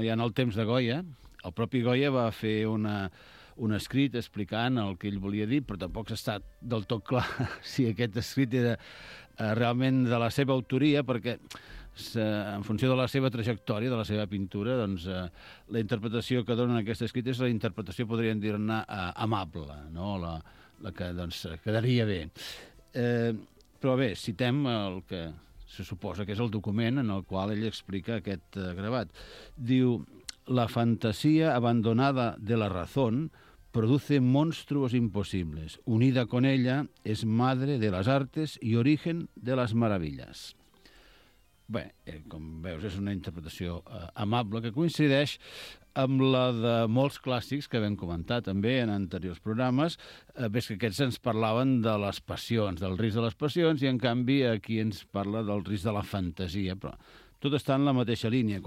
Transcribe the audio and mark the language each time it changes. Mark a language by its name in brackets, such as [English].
[Catalan] Ja en el temps de Goya, el propi Goya va fer un escrit explicant el que ell volia dir, però tampoc s'ha estat del tot clar si aquest escrit era realment de la seva autoria, perquè en funció de la seva trajectòria, de la seva pintura, doncs la interpretació que donen aquest escrit és la interpretació, podríem dir-ne, amable, no? La que doncs quedaria bé. Però bé, citem el que se suposa que és el document en el qual ell explica aquest gravat. Diu: [Spanish] "La fantasía abandonada de la razón produce monstruos imposibles. Unida con ella, es madre de las artes y origen de las maravillas." [Catalan] Bé, com veus, és una interpretació amable que coincideix amb la de molts clàssics que vam comentar també en anteriors programes. Ves que aquests ens parlaven de les passions, del risc de les passions, i en canvi aquí ens parla del risc de la fantasia, però tot està en la mateixa línia.